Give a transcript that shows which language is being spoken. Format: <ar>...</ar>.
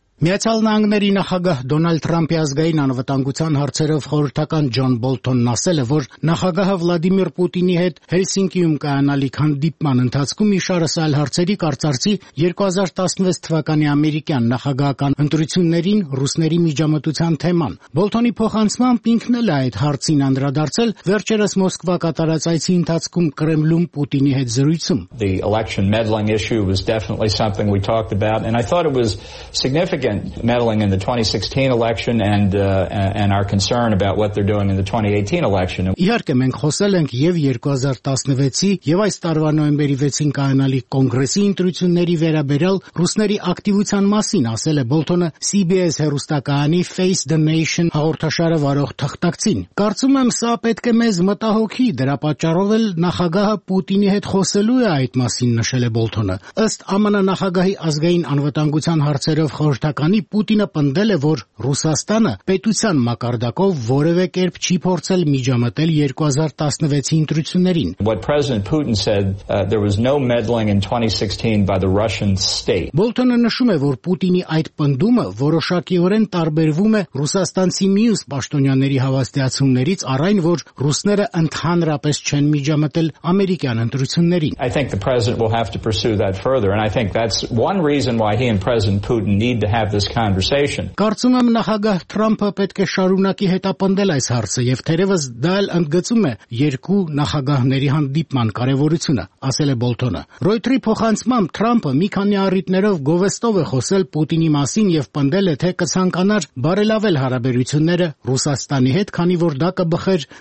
<hy>Միացյալ Նահանգների նախագահ Դոնալդ Թրամփի ազգային անվտանգության հարցերով խորհրդական Ջոն Բոլթոնն ասել է, որ նախագահը Վլադիմիր Պուտինի հետ Հելսինկիում կայանալիք հանդիպման ընթացքում իշարս այլ հարցերի կարծարծի 2016 թվականի ամերիկյան նախագահական ընտրություններին ռուսների միջամտության թեման։ Բոլթոնի փոխանցմամբ ինքն էլ այդ հարցին անդրադարձել վերջերս Մոսկվա կատարած այցի ընթացքում Կրեմլում Պուտինի հետ զրույցում։</hy> <en>The election meddling issue was definitely something we talked about, and I thought it was significant. Significant meddling in the 2016 election and our concern about what they're doing in the 2018 election.</en> <hy>Իհարկե մենք խոսել ենք եւ 2016-ի եւ այս տարվա նոյեմբերի 6-ին կայանալի կոնգրեսի ընտրությունների վերաբերյալ ռուսների ակտիվության մասին, ասել է Բոլթոնը CBS հեռուստակայանի Face the Nation հաղորդաշարը վարող թղթակցին։ Կարծում եմ, սա պետք է մեզ մտահոգի, դրա պատճառով էլ նախագահը Պուտինի հետ խոսելու է այդ մասին, նշել է Բոլթոնը։ Ըստ ԱՄՆ նախագահի ազգային անվտանգության հարցերով խորհրդական պետականի Պուտինը պնդել է, որ Ռուսաստանը պետության մակարդակով որևէ կերպ չի փորձել միջամտել 2016-ի ընտրություններին.</hy> <en>What President Putin said there was no meddling in 2016 by the Russian state.</en> <hy>Բոլտոնը նշում է, որ Պուտինի այդ պնդումը որոշակիորեն տարբերվում է ռուսաստանցի մյուս պաշտոնյաների հավաստիացումներից, առայն որ ռուսները ընդհանրապես չեն միջամտել ամերիկյան ընտրություններին.</hy> <en>I think the president will have to pursue that further, and I think that's one reason why he and President Putin need to have this conversation.</en> <hy>Կարծում եմ նախագահ Թրամփը պետք է շարունակի հետապնդել այս հարցը, եւ թերևս դա էլ ընդգծում է երկու նախագահների հանդիպման կարեւորությունը, ասել է Բոլթոնը։ Ռոյթրի փոխանցումը Թրամփը մի քանի առիթներով գովեստով է խոսել Պուտինի մասին եւ պնդել է, թե կցանկանար բարելավել հարաբերությունները Ռուսաստանի հետ, քանի որ դա կբխեր</hy>